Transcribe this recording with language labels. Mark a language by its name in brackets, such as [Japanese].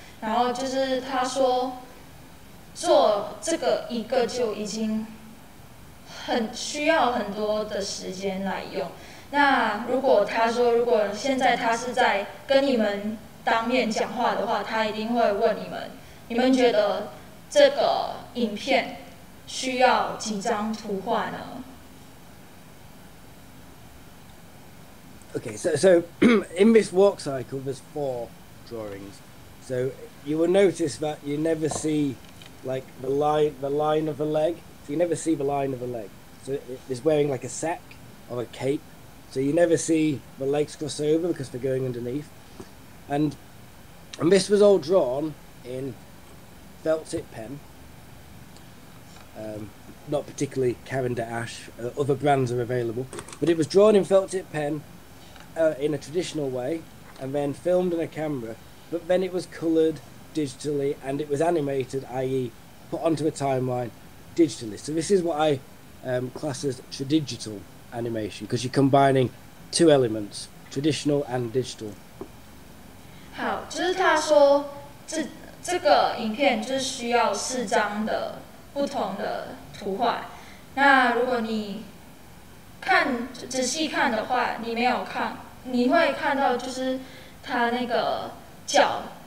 [Chinese] 然后就是他说做这个一个就已经很需要很多的时间来用。那如果他说，如果现在他是在跟你们当面讲话的话，他一定会问你们：你们觉得这个影片需要几张图画呢 [English] ？Okay, so in this walk cycle, there's four drawings. So you will notice that you never see. Like the line of a leg. So you never see the line of a leg. So it's wearing like a sack or a cape. So you never see the legs cross over because they're going underneath. And this was all drawn in felt tip pen. Not particularly Caran d'Ache. Other brands are available. But it was drawn in felt tip pen in a traditional way and then filmed in a camera. But then it was coloured. Digitally, and it was animated, i.e. put onto a timeline digitally. So this is what I class as tradigital animation, because you're combining two elements, traditional and digital. [Chinese] 好，就是他说这个影片就是需要四张的不同的图画。那如果你看仔细看的话，你没有看，你会看到就是他那个脚